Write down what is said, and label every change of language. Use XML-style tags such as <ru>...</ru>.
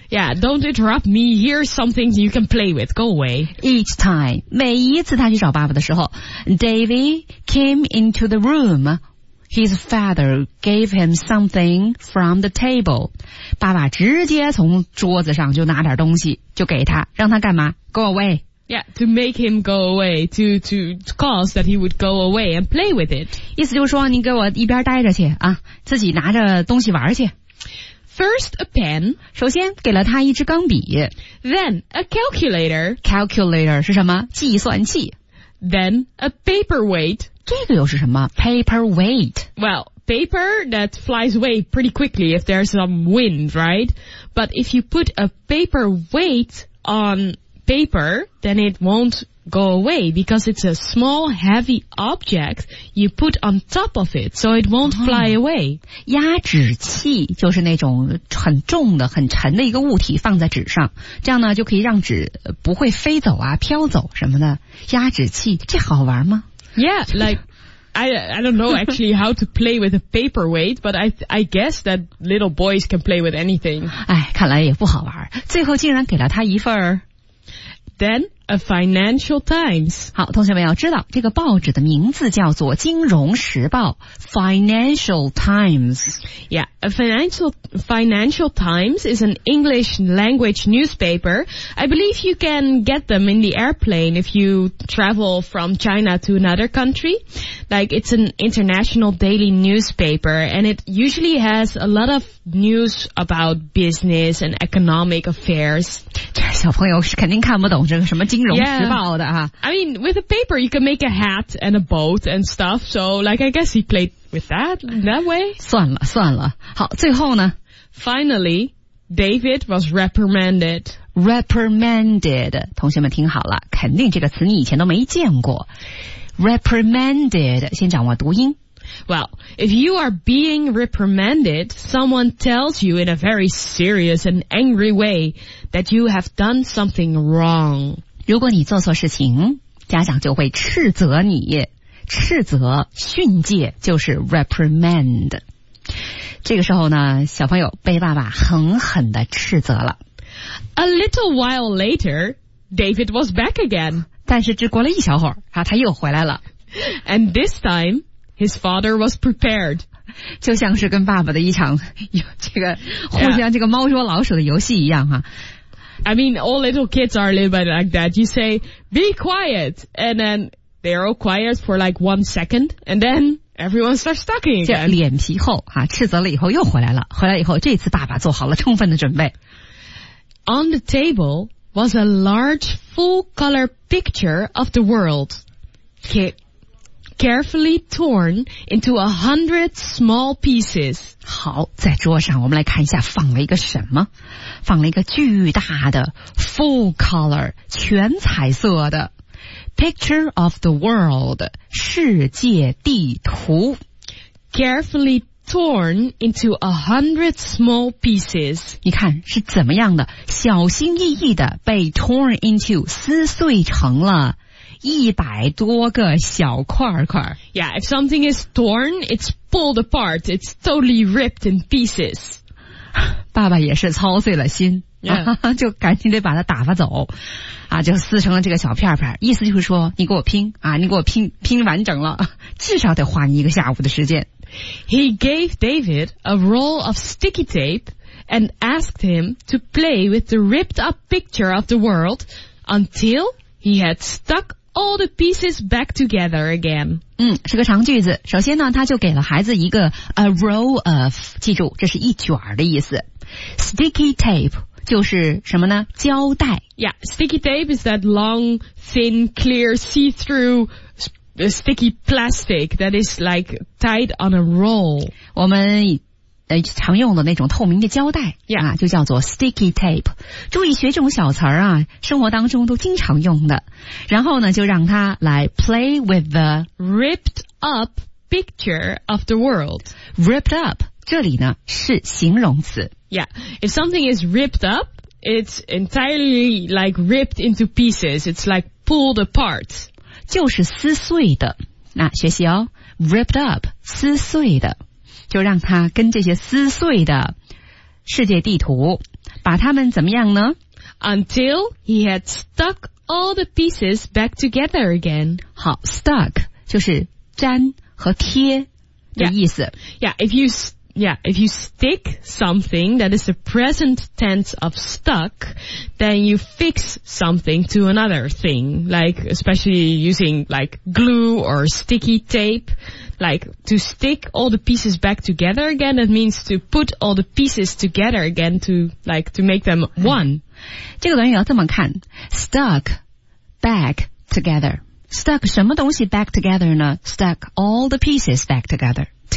<en>Yeah, don't interrupt me. Here's something you can play with. Go away. Each time,</en> <zh>每一次他去找爸爸的时候，</zh> <en>David came into the room. His father gave him something from the table.</en> <zh>爸爸直接从桌子上就拿点东西。就给他，让他干嘛 ？</zh> <en>Go away. Yeah, to make him go away, to cause that he would go away and play with it.</en> <zh>意思就是说，你给我一边待着去啊，自己拿着东西玩去。</zh> <en>First a pen.</en> <zh>首先给了他一支钢笔。</zh> <en>Then a calculator.</en> <zh>Calculator 是什么？计算器。</zh> <en>Then a paperweight.</en> <zh>这个又是什么 ？Paperweight.</zh> <en>Well. Paper that flies away pretty quickly if there's some wind, right? But if you put a paper weight on paper, then it won't go away because it's a small heavy object you put on top of it, so it won't fly away.</en> <zh>压纸器就是那种很重的、很沉的一个物体放在纸上，这样呢就可以让纸不会飞走啊、飘走什么的。压纸器，这好玩吗</zh> <en>？Yeah, like. I don't know actually how to play with a paperweight, but I guess that little boys can play with anything.</en> <zh>哎，看来也不好玩。最后竟然给了他一份儿。</zh> <en>Then a Financial Times.</en> <zh>好，同学们要知道，这个报纸的名字叫做《金融时报》（Financial Times）。</zh> <en>Yeah, a Financial Times is an English language newspaper. I believe you can get them in the airplane if you travel from China to another country. Like it's an international daily newspaper, and it usually has a lot of news about business and economic affairs.</en> <zh>小朋友是肯定看不懂这个什么金融时报的啊。</zh> <en>Yeah. I mean, with a paper, you can make a hat and a boat and stuff. So, like, I guess he played with that way.</en> <zh>算了算了。好，最后呢</zh> <en>?Finally, David was reprimanded. Reprimanded.</en> <zh>同学们听好了，肯定这个词你以前都没见过。Reprimanded, 先掌握读音。</zh> <en>Well, if you are being reprimanded, someone tells you in a very serious and angry way that you have done something wrong.</en> <zh>如果你做错事情，家长就会斥责你，斥责、训诫就是 reprimand。这个时候呢，小朋友被爸爸狠狠地斥责了。</zh> <en>A little while later, David was back again.</en> <zh>但是只过了一小会儿，他又回来了。</zh> <en>And this time, his father was prepared.</en> <zh>就像是跟爸爸的一场这个互相这个猫捉老鼠的游戏一样哈。</zh> <en>I mean, all little kids are a little bit like that. You say, be quiet, and then they're all quiet for like 1 second, and then everyone starts talking again.</en> <zh>就脸皮厚哈，斥责了以后又回来了，回来以后这次爸爸做好了充分的准备。</zh> <en>On the table was a large full-color picture of the world. Kid. Carefully torn into 100 small pieces.</en> <zh>好，在桌上我们来看一下放了一个什么？放了一个巨大的</zh> <en>full color,</en> <zh>全彩色的</zh> <en>picture of the world,</en> <zh>世界地图。</zh> <en>Carefully torn into 100 small pieces.</en> <zh>你看是怎么样的？小心翼翼的被 torn into, 撕碎成了100多个小块块。</zh> <en>Yeah, if something is torn, it's pulled apart. It's totally ripped in pieces.</en> <zh>爸爸也是操碎了心、</zh> <en>yeah.</en> <zh>啊、就赶紧得把它打发走啊，就撕成了这个小片片。意思就是说你给我拼啊，你给我拼拼完整了，至少得花你一个下午的时间。</zh> <en>He gave David a roll of sticky tape and asked him to play with the ripped up picture of the world until... He had stuck all the pieces back together again.</en> <zh>嗯，是个长句子。首先呢，他就给了孩子一个</zh> <en>a roll of,</en> <zh>记住，这是一卷的意思。 Sticky tape 就是什么呢？胶带。</zh> <en>Yeah, sticky tape is that long, thin, clear, see-through sticky plastic that is like tied on a roll.</en> <zh>我们常用的那种透明的胶带、</zh> <en>yeah.</en> <zh>啊、就叫做 sticky tape。注意学这种小词儿啊，生活当中都经常用的。然后呢，就让他来</zh> <en>play with the ripped up picture of the world.</en> <zh>Ripped up 这里呢是形容词。</zh> <en>Yeah, if something is ripped up, it's entirely like ripped into pieces. It's like pulled apart.</en> <zh>就是撕碎的。那学习哦， ripped up 撕碎的，就让他跟这些撕碎的世界地图把他们怎么样呢？</zh> <en>Until he had stuck all the pieces back together again.</en> <zh>好， stuck 就是粘和贴的意思。</zh> <en>Yeah, if you stick something that is the present tense of stuck, then you fix something to another thing, like especially using like glue or sticky tape. Like, to stick all the pieces back together again, that means to put all the pieces together again to, like, to make them one.</en> <zh>这个短语要这么看，</zh> <en>stuck back together.</en> <zh>Stuck 什么东西</zh> <en>back together</en> <zh>呢？</zh> <en>Stuck all the pieces back together.</en>